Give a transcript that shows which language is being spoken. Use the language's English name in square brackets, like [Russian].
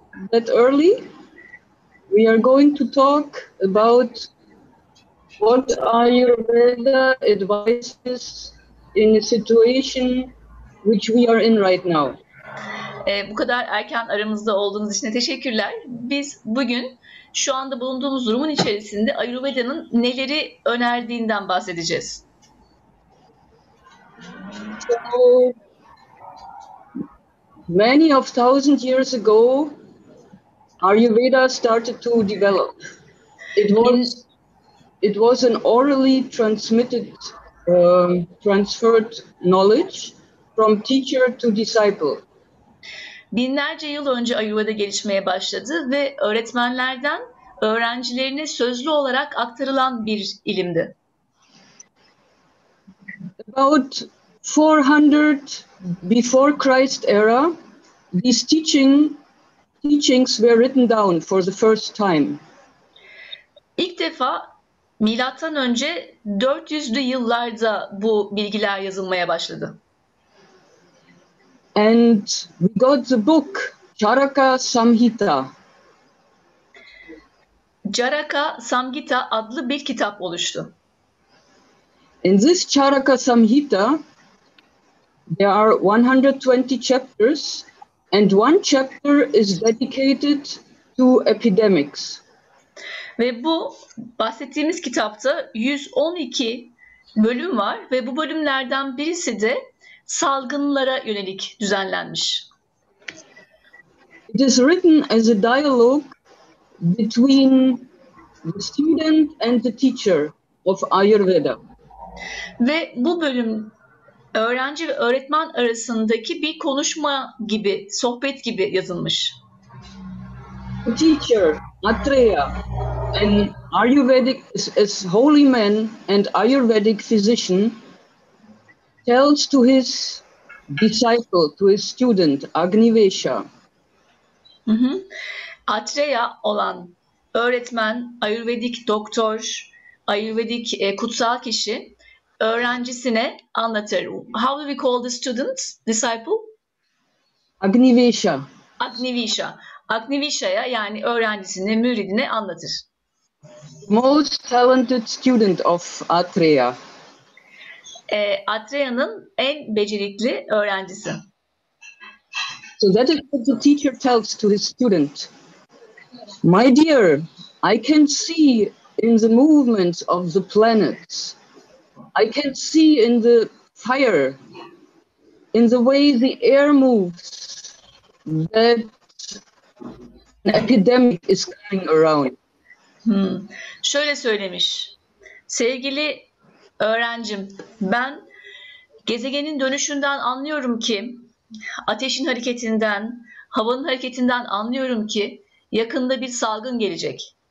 [English] That early, we are going to talk about what Ayurveda advises in a situation which we are in right now. [Turkish] Bu kadar erken aramızda olduğunuz için teşekkürler. Biz bugün şu anda bulunduğumuz durumun içerisinde Ayurveda'nın neleri önerdiğinden bahsedeceğiz. [English] So, many of thousand years ago, Ayurveda started to develop. It was an orally transmitted, transferred knowledge from teacher to disciple. [Turkish] Binlerce yıl önce Ayurveda gelişmeye başladı ve öğretmenlerden öğrencilerine sözlü olarak aktarılan bir ilimdi. [English] About 400 before Christ era, these teachings were written down for the first time. [Turkish] İlk defa milattan önce 400'lü yıllarda bu bilgiler yazılmaya başladı. [English] And we got the book Charaka Samhita. [Turkish] Charaka Samhita adlı bir kitap oluştu. [English] In this Charaka Samhita, there are 120 chapters, and one chapter is dedicated to epidemics. [Turkish] Ve bu bahsettiğimiz kitapta 112 bölüm var ve bu bölümlerden birisi de salgınlara yönelik düzenlenmiş. [English] It is written as a dialogue between the student and the teacher of Ayurveda. [Turkish] Ve bu bölüm öğrenci ve öğretmen arasındaki bir konuşma gibi, sohbet gibi yazılmış. [English] The teacher, Atreya, an Ayurvedic, as holy man and Ayurvedic physician, tells to his disciple, to his student, Agnivesha. Mm-hmm. [Turkish] Atreya olan öğretmen, Ayurvedic doktor, Ayurvedic kutsal kişi, öğrencisine anlatır. [English] How do we call the student, disciple? Agnivesha. [Turkish] Agnivesha. Agnivesha'ya, yani öğrencisine, müridine anlatır. [English] Most talented student of Atreya. [Turkish] Atreya'nın en becerikli öğrencisi. [English] So that is what the teacher tells to his student. My dear, I can see in the movements of the planets, I can see in the fire, in the way the air moves, that an epidemic is coming around. [Turkish] Şöyle söylemiş. Sevgili öğrencim, ben gezegenin dönüşünden anlıyorum ki, ateşin hareketinden, havanın hareketinden anlıyorum ki yakında bir salgın gelecek.